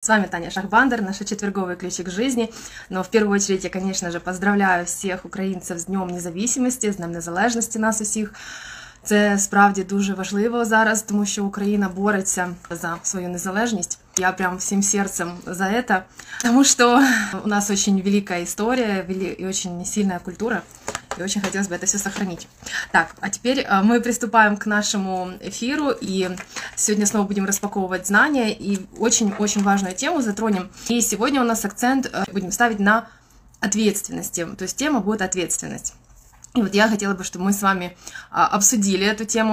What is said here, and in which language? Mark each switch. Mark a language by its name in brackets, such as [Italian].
[Russian] С вами Таня Шахбандер, наш четверговый ключик жизни. Но в первую очередь я, конечно же, поздравляю всех [Ukrainian] українців з Днем Незалежності, з Днем Незалежності нас усіх. Це справді дуже важливо зараз, тому що Україна бореться за свою незалежність. Я прям всім серцем [Russian] за это, [Ukrainian] тому що у нас дуже велика історія і дуже сильна культура. [Russian] И очень хотелось бы это все сохранить. Так, а теперь мы приступаем к нашему эфиру. И сегодня снова будем распаковывать знания. И очень-очень важную тему затронем. И сегодня у нас акцент будем ставить на ответственности. То есть тема будет ответственность. И вот я хотела бы, чтобы мы с вами обсудили эту тему.